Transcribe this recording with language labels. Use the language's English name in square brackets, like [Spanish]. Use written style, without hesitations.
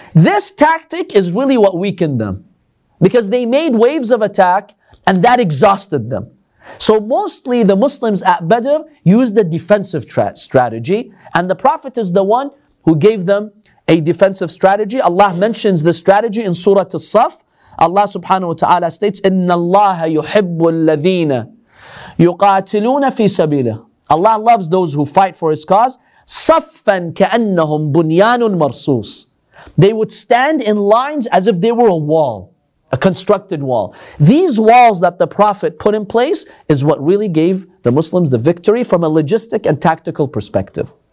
[English] This tactic is really what weakened them, because they made waves of attack and that exhausted them. So mostly the Muslims at Badr used a defensive strategy, and the Prophet is the one who gave them a defensive strategy. Allah mentions the strategy in Surah As-Saff. Allah subhanahu wa ta'ala states, [Arabic] إِنَّ اللَّهَ يُحِبُّ الَّذِينَ يُقَاتِلُونَ فِي سَبِيلِهِ. [English] Allah loves those who fight for His cause. [Arabic] صَفًّا كَأَنَّهُمْ بُنْيَانٌ مَرْصُوصٌ. [English] They would stand in lines as if they were a wall, a constructed wall. These walls that the Prophet put in place is what really gave the Muslims the victory from a logistic and tactical perspective.